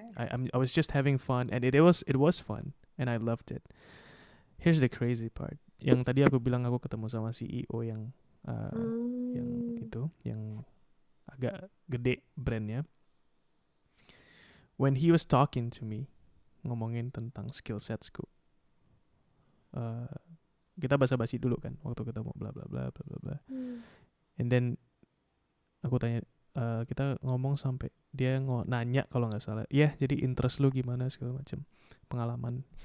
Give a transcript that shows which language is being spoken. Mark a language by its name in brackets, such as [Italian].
[English] I was just having fun and it was fun and I loved it. Here's the crazy part. [Indonesian] Yang tadi aku bilang aku ketemu sama CEO yang yang itu yang agak gede brandnya. [English] When he was talking to me, [Indonesian] ngomongin tentang skill setsku. Kita basa-basi dulu kan waktu ketemu, bla bla bla bla bla bla. [English] And then [Indonesian] aku tanya, kita ngomong sampai dia nanya kalau nggak salah, yeah, jadi interest lu gimana segala macam pengalaman.